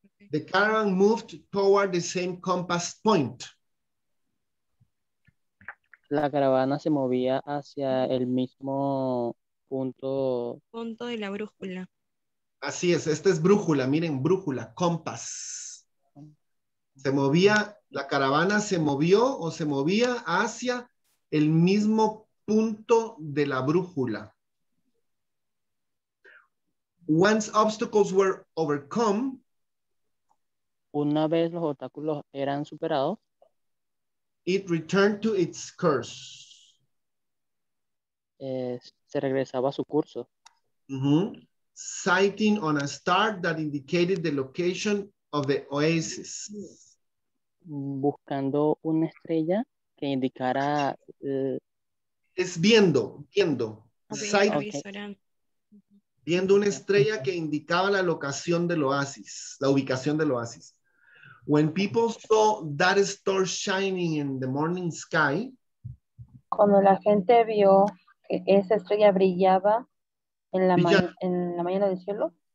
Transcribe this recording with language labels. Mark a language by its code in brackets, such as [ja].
[en] The caravan moved toward the same compass point. [es] La caravana se movía hacia el mismo punto. Punto de la brújula. Así es, esta es brújula, miren, brújula, compás. Se movía, la caravana se movió o se movía hacia el mismo punto de la brújula. [en] Once obstacles were overcome. [es] Una vez los obstáculos eran superados. [en] It returned to its course. [es] Se regresaba a su curso. [en] Sighting on a star that indicated the location of the oasis. [es] Buscando una estrella que indicara... Es viendo. [en] Okay. Sighting. Okay. [es] Viendo una estrella que indicaba la locación del oasis, la ubicación del oasis. [en] When people saw that star shining in the morning sky. [es] Cuando la gente vio que esa estrella brillaba en la mañana del cielo.